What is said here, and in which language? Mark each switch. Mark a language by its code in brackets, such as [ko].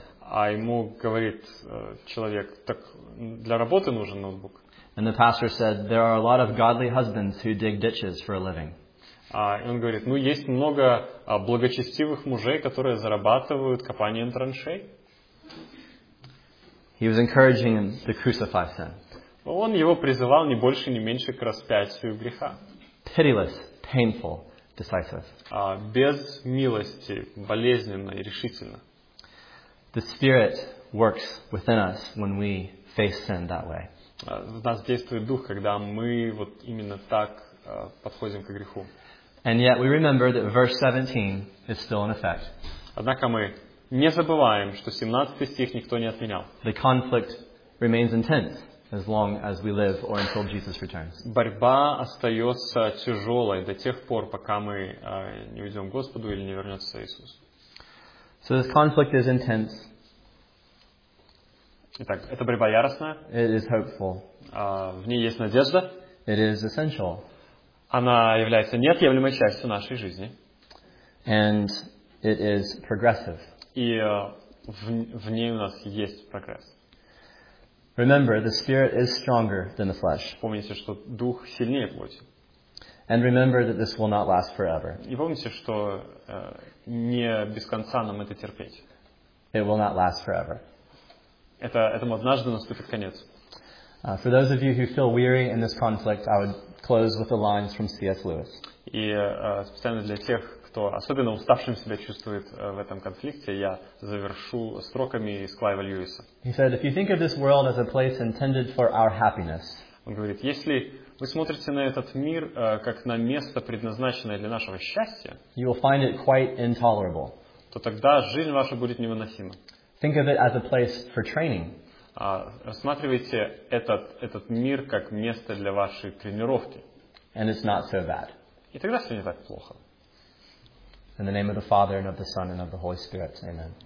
[ru] А ему говорит человек, так для работы нужен ноутбук. [en] And the pastor said, "There are a lot of godly husbands who dig ditches for a living." [ru] Он говорит, ну есть много благочестивых мужей, которые зарабатывают копанием траншей. [en] He was encouraging him to crucify sin. [ru] Он его призывал не больше, не меньше к распятию греха. [en] Pitiless, painful, decisive. [ru] Без милости, болезненно и решительно. [en] The Spirit works within us when we face sin that way. [ru] В нас действует Дух, когда мы вот именно так подходим к греху. [en] And yet we remember that verse 17 is still in effect. [ru] Однако мы не забываем, что 17 стих никто не отменял. [en] The conflict remains intense as long as we live or until Jesus returns. [ru] Борьба остается тяжелой до тех пор, пока мы не уйдем к Господу или не вернется Иисус. [en] So this conflict is intense. [ru] Итак, это борьба яростная. [en] It is hopeful. [ru] В ней есть надежда. [en] It is essential. [ru] Она является неотъемлемой частью нашей жизни. [en] And it is progressive. [ru] И в ней у нас есть прогресс. [en] Remember, the spirit is stronger than the flesh. [ru] Помните, что дух сильнее плоти. [en] And remember that this will not last forever. [ru] И помните, что не без конца нам это терпеть. [en] It will not last forever. [ru] Этому однажды наступит конец. [en] For those of you who feel weary in this conflict, I would close with the lines from C.S. Lewis. [ru] И специально для тех, кто особенно уставшим себя чувствует в этом конфликте, я завершу строками из Клайва Льюиса. [en] He said, "If you think of this world as a place intended for our happiness." [ru] Он говорит, если вы смотрите на этот мир как на место, предназначенное для нашего счастья, [en] you will find it quite intolerable. [ru] то тогда жизнь ваша будет невыносима. [en] Think of it as a place for training. [ru] Рассматривайте этот мир как место для вашей тренировки. [en] And it's not so bad. [ru] И тогда все не так плохо. [en] In the name of the Father, and of the Son, and of the Holy Spirit. Amen.